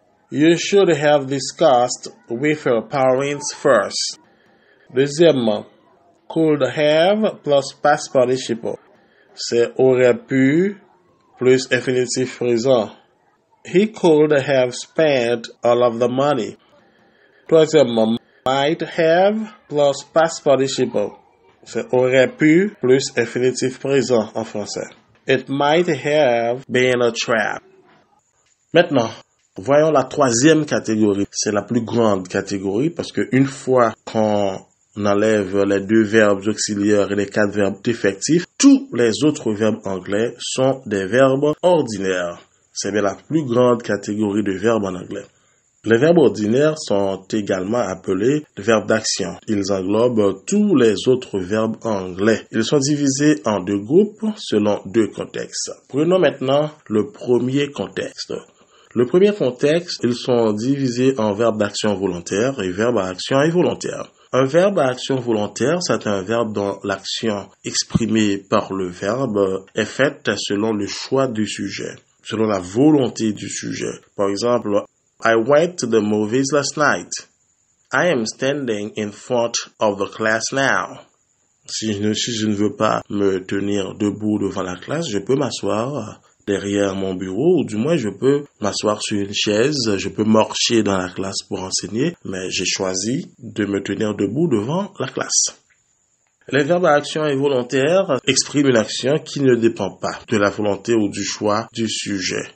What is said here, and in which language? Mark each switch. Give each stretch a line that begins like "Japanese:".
English: You should have discussed with your parents first.
French: Deuxièmement,
English: could have plus past participle.
French: C'est aurait pu plus infinitif présent.
English: He could have spent all of the money.
French: Troisièmement,
English: might have plus past participle.
French: C'est aurait pu plus infinitif présent en français.
English: It might have been a trap.
French: Maintenant, voyons la troisième catégorie. C'est la plus grande catégorie parce que une fois qu'on enlève les deux verbes auxiliaires et les quatre verbes défectifs, tous les autres verbes anglais sont des verbes ordinaires. C'est bien la plus grande catégorie de verbes en anglais. Les verbes ordinaires sont également appelés verbes d'action. Ils englobent tous les autres verbes anglais. Ils sont divisés en deux groupes selon deux contextes. Prenons maintenant le premier contexte. Le premier contexte, ils sont divisés en verbes d'action volontaire et verbes à action involontaire. Un verbe à action volontaire, c'est un verbe dont l'action exprimée par le verbe est faite selon le choix du sujet, selon la volonté du sujet. Par exemple,
English: I went to the movies last night. I am standing in front of the class now.
French: Si je ne veux pas me tenir debout devant la classe, je peux m'asseoir derrière mon bureau, ou du moins je peux m'asseoir sur une chaise, je peux marcher dans la classe pour enseigner, mais j'ai choisi de me tenir debout devant la classe. Les verbes à action involontaire expriment une action qui ne dépend pas de la volonté ou du choix du sujet.